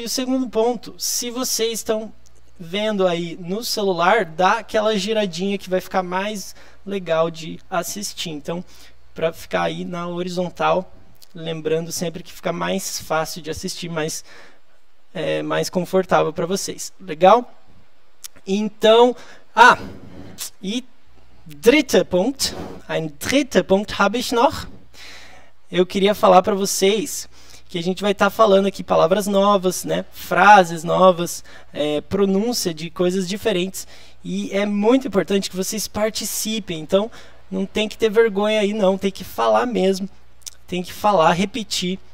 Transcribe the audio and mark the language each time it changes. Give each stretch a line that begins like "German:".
Portuguese: E o segundo ponto, se vocês estão vendo aí no celular, dá aquela giradinha que vai ficar mais legal de assistir. Então, para ficar aí na horizontal, lembrando sempre que fica mais fácil de assistir, mais confortável para vocês. Legal? Então,
German: ein dritter Punkt habe ich noch.
Portuguese: Eu queria falar para vocês que a gente vai estar falando aqui palavras novas, né? Frases novas, pronúncia de coisas diferentes. E é muito importante que vocês participem. Então, não tem que ter vergonha aí, não. Tem que falar mesmo. Tem que falar, repetir.